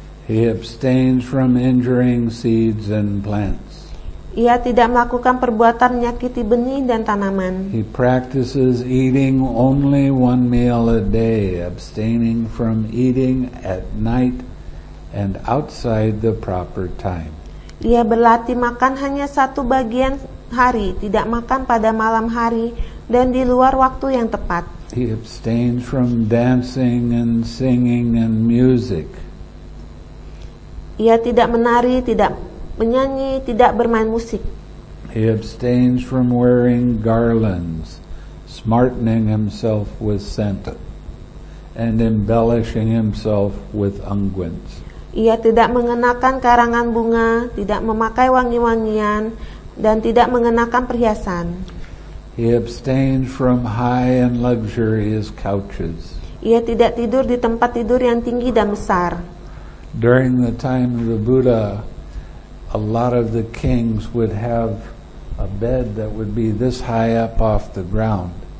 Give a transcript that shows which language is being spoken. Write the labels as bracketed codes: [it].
[en] He abstains from injuring seeds and plants. [id] Ia tidak melakukan perbuatan menyakiti benih dan tanaman. [en] He practices eating only one meal a day, abstaining from eating at night and outside the proper time. [id] Ia berlatih makan hanya satu bagian hari, tidak makan pada malam hari dan di luar waktu yang tepat. [en] He abstains from dancing and singing and music. [id] Ia tidak menari, tidak menyanyi, tidak bermain musik. [en] He abstains from wearing garlands, smartening himself with scent and embellishing himself with unguents. [id] Ia tidak mengenakan karangan bunga, tidak memakai wangi-wangian, dan tidak mengenakan perhiasan. [en] He abstains from high and luxurious couches. [id] Ia tidak tidur di tempat tidur yang tinggi dan besar. [en] During the time of the Buddha, a lot of the kings would have a bed that would be this high up off the ground.